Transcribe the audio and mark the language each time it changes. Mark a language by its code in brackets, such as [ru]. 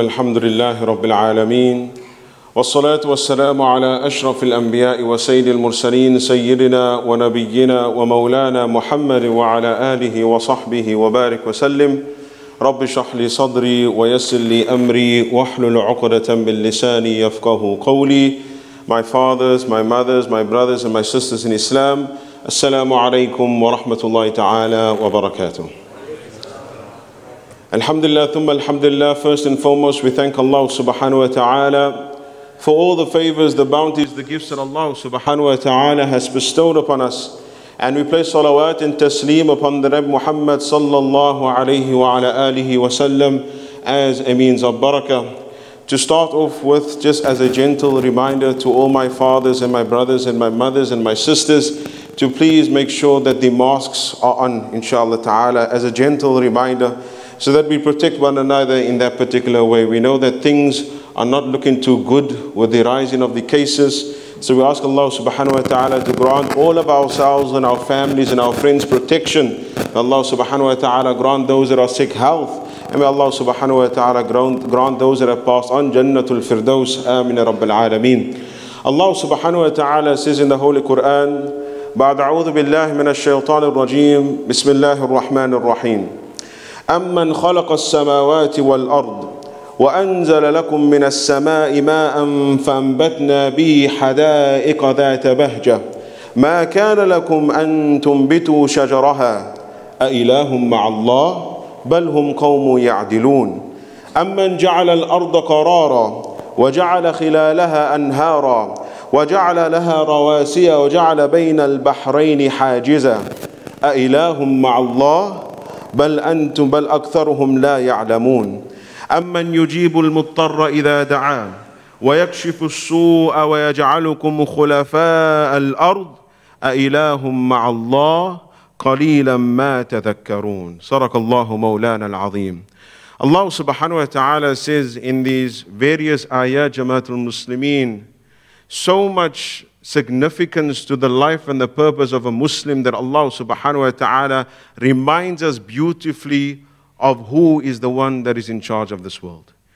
[ar] الحمد لله رب العالمين، والصلاة والسلام على أشرف الأنبياء وسيد المرسلين سيدنا ونبينا ومولانا محمد وعلى آله وصحبه وبارك وسلم. رب اشرح لي صدري ويسر لي أمري واحلل عقدة من لساني يفقه قولي. [en] My fathers, my mothers, my brothers and my sisters in Islam, [ar] السلام عليكم ورحمة الله تعالى وبركاته. [en] Alhamdulillah, thumma alhamdulillah, first and foremost, we thank Allah subhanahu wa ta'ala for all the favors, the bounties, the gifts that Allah subhanahu wa ta'ala has bestowed upon us. And we place salawat and taslim upon the Rabb Muhammad sallallahu alayhi wa ala alihi wa sallam as a means of barakah. To start off with, just as a gentle reminder to all my fathers and my brothers and my mothers and my sisters, to please make sure that the masks are on, inshallah ta'ala, as a gentle reminder, so that we protect one another in that particular way. We know that things are not looking too good with the rising of the cases. So we ask Allah subhanahu wa ta'ala to grant all of ourselves and our families and our friends protection. Allah subhanahu wa ta'ala grant those that are sick health. And may Allah subhanahu wa ta'ala grant those that have passed on Jannatul Firdaus. Amin Rabbil Alameen. Allah subhanahu wa ta'ala says in the Holy Quran, [ar] بعد أعوذ بالله من الشيطان الرجيم بسم الله الرحمن الرحيم أمن خلق السماوات والأرض وأنزل لكم من السماء ماء فأنبتنا به حدائق ذات بهجة ما كان لكم أن تنبتوا شجرها أإله مع الله بل هم قوم يعدلون أمن جعل الأرض قرارا وجعل خلالها أنهارا وجعل لها رواسي وجعل بين البحرين حاجزا أإله مع الله بل أنتم بل أكثرهم لا يعلمون أمن يجيب المضطر إذا دعاه ويكشف السوء ويجعلكم خلفاء الأرض أإله مع الله قليلا ما تذكرون صدق الله مولانا العظيم. [en] Allah subhanahu wa ta'ala says in these various ayat jamaatul muslimin, so much significance to the life and the purpose of a Muslim that Allah subhanahu wa ta'ala reminds us beautifully of who is the one that is in charge of this world.